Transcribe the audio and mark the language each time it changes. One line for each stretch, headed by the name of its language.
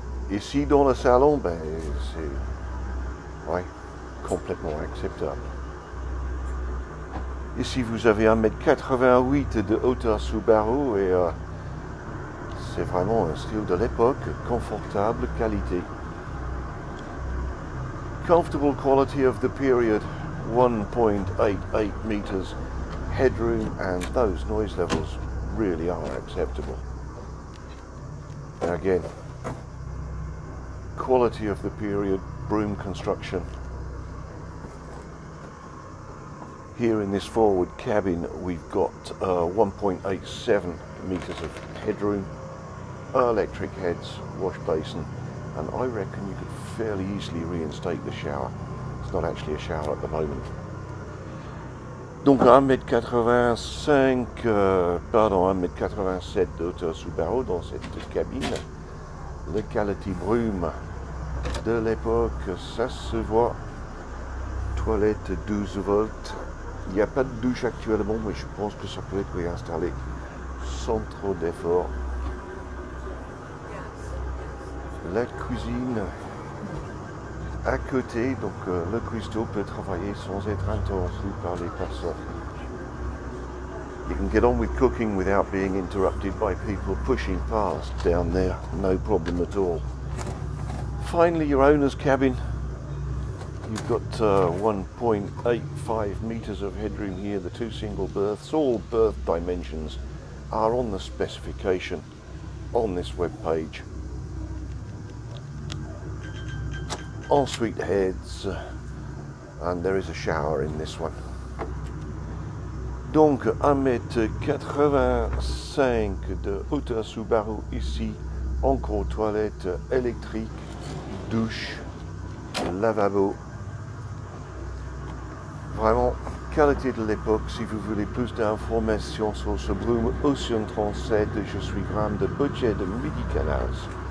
French: Ici dans le salon, ben c'est ouais, complètement acceptable. Ici vous avez 1m88 de hauteur sous barreau et c'est vraiment un style de l'époque, confortable qualité.
English: Comfortable quality of the period, 1.88 meters headroom, and those noise levels really are acceptable. And again, quality of the period, Broom construction. Here in this forward cabin we've got 1.87 meters of headroom, electric heads, wash basin, and I reckon you could fairly easily reinstate the shower. It's not actually a shower at the moment.
French: Donc 1m85, pardon, 1m87 de hauteur sous barreau dans cette cabine. Le quality Broom de l'époque, ça se voit. Toilette 12 volts. Il n'y a pas de douche actuellement, mais je pense que ça peut être réinstallé sans trop d'efforts. La cuisine à côté, donc le cuistot peut travailler sans être interrompu par les passants.
English: You can get on with cooking without being interrupted by people pushing past down there, no problem at all. Finally, your owner's cabin. You've got 1.85 meters of headroom here, the two single berths. All berth dimensions are on the specification on this web page. Ensuite heads, and there is a shower in this one.
French: Donc 1m85 de hauteur sous barreau ici, encore toilette électrique, douche, lavabo. Vraiment qualité de l'époque. Si vous voulez plus d'informations sur ce Broom Ocean 37, je suis Graham de Boatshed de Midi Canals.